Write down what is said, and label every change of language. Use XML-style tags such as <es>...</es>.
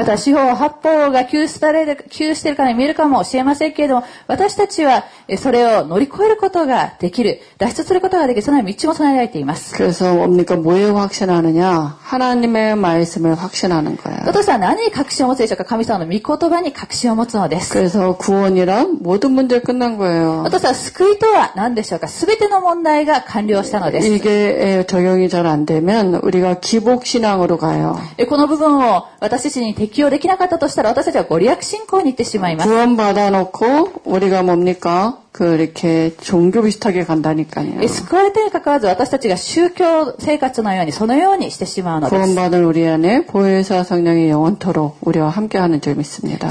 <ja>また四方八方が窮しているから見えるかもしれませんけれども私たちはそれを乗り越えることができる脱出することができるその道も備えられています</ja> <ko>그래서뭡니까뭐에확신하느냐하나님의말씀을확신하는거예요</ko> <ja>도도사何に確信を持つでしょうか神様の御言葉に確信を持つのです</ja> <ko>그래서구원이랑모든문제끝난거예요</ko> <ja>도도사救いとは何でしょうか全ての問題が完了したのです</ja> <ko>이게적용이잘안되면우리가기복신앙으로가요</ko> <ja>この部分を私たちに適用できなかったとしたら私たちはご利益信仰に行ってしまいます</ja> <ko>구원받아놓고우리가뭡니까그이렇게종교비슷하게간다니까요</ko> <ja>救われてにかかわず私たちが宗教生活のようにそのようにしてしまうのです</ja> <ko>구원받은우리안에보혜사성령이영원토록우리와함께하는줄믿습니다</ko>